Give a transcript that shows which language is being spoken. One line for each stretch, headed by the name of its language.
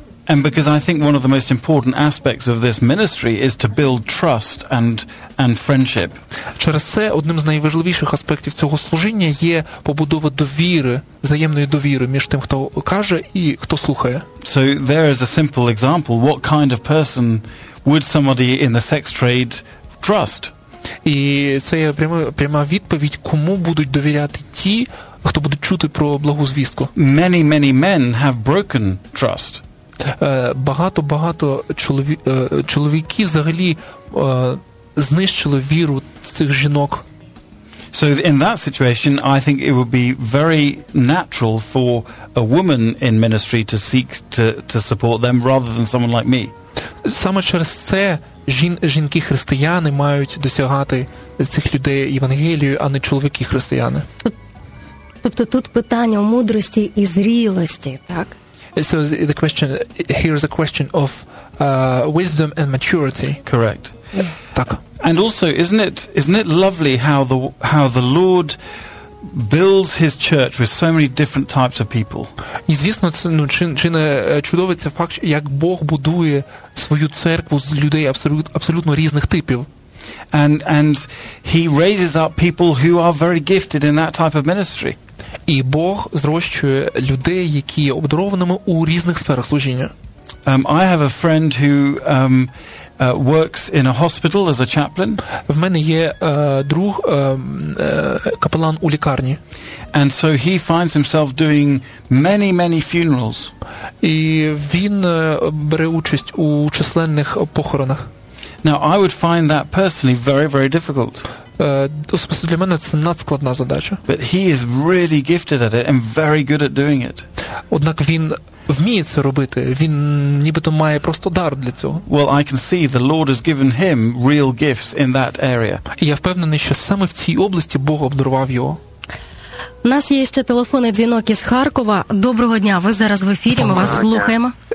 English: And because I think one of the most important aspects of this ministry is to build trust and friendship.
Ukrainian: Через це одним з найважливіших аспектів цього служіння є побудова довіри, взаємної довіри між тим, хто каже і хто слухає.
English: So there is a simple example. What kind of person would somebody in the sex trade trust?
Ukrainian: І це є пряма відповідь, кому будуть довіряти ті, хто будуть чути про благу звістку.
English: Many, many men have broken trust.
Ukrainian: Багато-багато чоловіків взагалі знищили віру цих жінок.
English: So in that situation, I think it would be very natural for a woman in ministry to seek to support them rather than someone like me.
Ukrainian: Саме через це жінки-християни мають досягати цих людей Євангелію, а не чоловіки-християни. Тобто тут питання у мудрості і зрілості, так?
English: So the question here is a question of wisdom and maturity. Correct.
Ukrainian: Так.
English: And also, isn't it lovely how the Lord builds His church with so many different types of people?
Ukrainian: І звісно, це чудово це факт, як Бог будує свою церкву з людей абсолютно різних типів.
English: And He raises up people who are very gifted in that type of ministry.
Ukrainian: І Бог зрощує людей, які є обдарованими у різних сферах служіння.
English: I have a friend who works in a hospital as a chaplain.
Ukrainian: В мене є друг, капелан у лікарні.
English: And so he finds himself doing many, many funerals.
Ukrainian: І він бере участь у численних похоронах.
English: Now I would find that personally very, very difficult.
Ukrainian: Особисто для мене це надскладна задача.
English: But he is really gifted at it and very good at doing it.
Ukrainian: Однак він вміє це робити. Він нібито має просто дар для цього.
English: Well, I can see the Lord has given him real gifts in that area.
Ukrainian: Я впевнений, що саме в цій області Бог обдарував його. У нас є ще телефонний дзвінок із Харкова. Доброго дня. Ви зараз в ефірі, ми вас слухаємо.